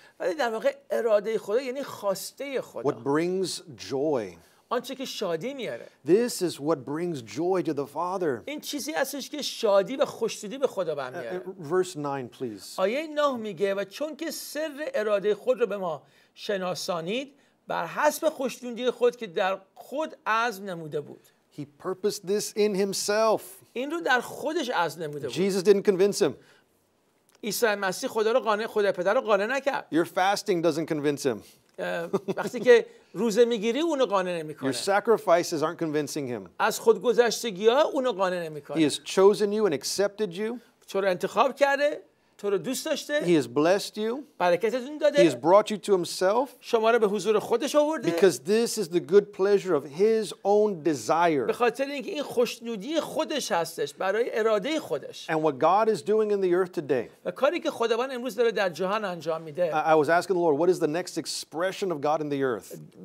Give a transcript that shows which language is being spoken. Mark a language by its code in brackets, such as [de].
[fa] ولی در واقع اراده خدا یعنی خواسته خدا. [en] What brings joy. [fa] آنچه که شادی میاره. [en] This is what brings joy to the Father. [fa] این چیزی هستش که شادی و خوشنودی به خدا برمیاره. [en] Verse 9 please. [fa] آیه 9 میگه و چون که سر اراده خود رو به ما شناسانید بر حسب خوشنودی خود که در خود عزم نموده بود. [en] He purposed this in himself. [fa] این رو در خودش عزم نموده بود. [en] Jesus didn't convince him. [fa] عیسی مسیح خدا رو قانع خدا پدر رو قانع نکرد. [en] Your fasting doesn't convince him. [fa] وقتی که روزه میگیری اونو قانع نمیکنه. [en] Your sacrifices aren't convincing him. [fa] از خودگذشتگی‌ها اونو قانع نمیکنه. [en] He has chosen you and accepted you. [fa] تو رو انتخاب کرده، تو رو دوست داشته. [en] He has blessed you. [fa] برکتتون داده. [en] He has brought you to himself. [fa] شما رو به حضور خودش آورده. [en] Because this is the good pleasure of his own desire. [fa] به خاطر اینکه این خوشنودی خودش هستش برای اراده خودش. [en] And what God is doing in the earth today. [fa] و کاری که خداوند امروز داره در جهان انجام میده. [en] I was asking the Lord, what is the next expression of God in the earth?